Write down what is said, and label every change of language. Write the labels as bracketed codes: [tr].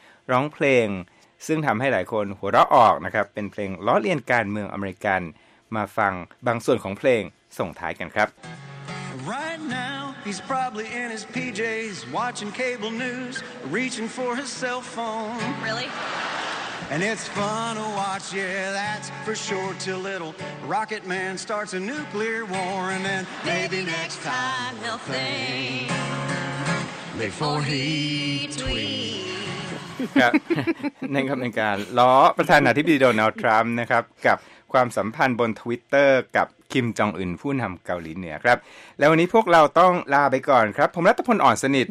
[th] ร้องเพลงซึ่งทำให้หลายคนหัวเราะออกนะครับเป็นเพลงล้อเลียนการเมืองอเมริกันมาฟังบางส่วนของเพลงส่งท้ายกันครับ [en] Right now he's probably in his PJs watching cable news reaching for his cell phone Really And it's fun to watch, yeah, that's for sure. Till little Rocket Man starts a nuclear war, and then maybe next time he'll think before he tweets. [th] ในคำนิยามล้อประธานาธิบดีโดนัลด์ทรัมป์นะครับกับความสัมพันธ์บนทวิตเตอร์กับคิมจองอึนผู้นำเกาหลีเหนือครับแล้ววันนี้พวกเราต้องลาไปก่อนครับผมรัตพลอ่อนสนิท